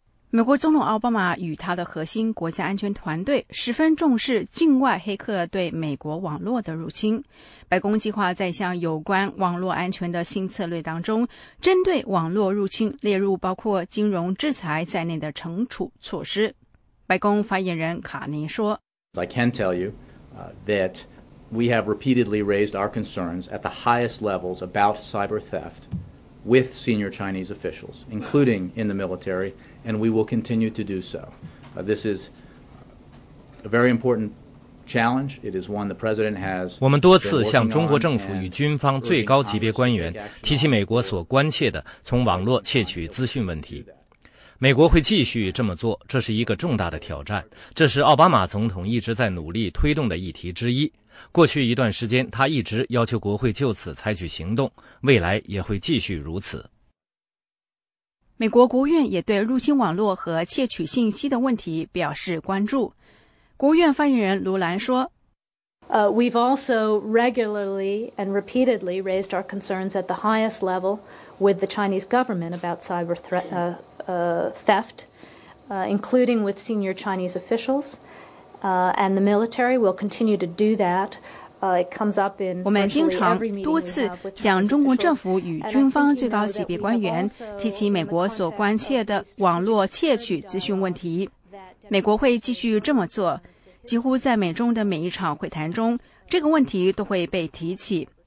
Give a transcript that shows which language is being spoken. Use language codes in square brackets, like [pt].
[zh] 美国总统奥巴马与他的核心国家安全团队十分重视境外黑客对美国网络的入侵。白宫计划在向有关网络安全的新策略当中，针对网络入侵列入包括金融制裁在内的惩处措施。白宫发言人卡尼说， [en] I can tell you that we have repeatedly raised our concerns at the highest levels about cyber theft with senior Chinese officials, including in the military,And we will continue to do so. This is a very important challenge. It is one the president has. [zh] 我们多次向中国政府与军方最高级别官员提起美国所关切的从网络窃取资讯问题。美国会继续这么做，这是一个重大的挑战。这是奥巴马总统一直在努力推动的议题之一。过去一段时间，他一直要求国会就此采取行动，未来也会继续如此。美国国务院也对入侵网络和窃取信息的问题表示关注。国务院发言人卢兰说， [en] We've also regularly and repeatedly raised our concerns at the highest level with the Chinese government about cyber theft, including with senior Chinese officials, and the military will continue to do that. [zh] 我们经常多次向中国政府与军方最高级别官员提起美国所关切的网络窃取资讯问题。美国会继续这么做，几乎在美中的每一场会谈中，这个问题都会被提起。